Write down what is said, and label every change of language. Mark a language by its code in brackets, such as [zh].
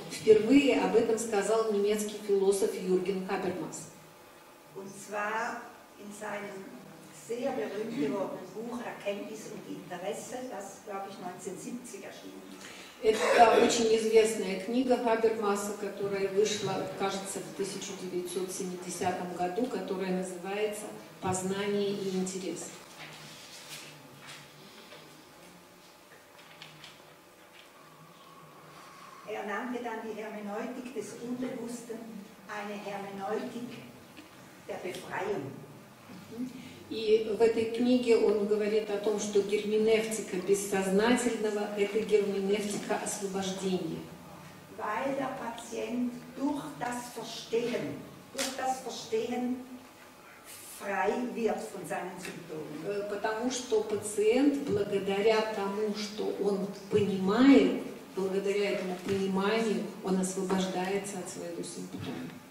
[ru] Впервые об этом сказал немецкий философ Юрген Хабермас. [de] Und zwar in seinem sehr berühmt gewordenen Buch Erkenntnis und Interesse, das, glaube ich, 1970 erschienen ist. [ru] Это очень известная книга Хабермаса, которая вышла, кажется, в 1970 году, которая называется «Познание и интерес». [de] Er nannte dann die Hermeneutik des Unbewussten eine Hermeneutik der Befreiung. [ru] И в этой книге он говорит о том, что герменевтика бессознательного – это герменевтика освобождения. [de] Weil der Patient durch das Verstehen frei wird von seinen Symptomen. [ru] Потому что пациент, благодаря тому, что он понимает, благодаря этому пониманию, он освобождается от своего симптома.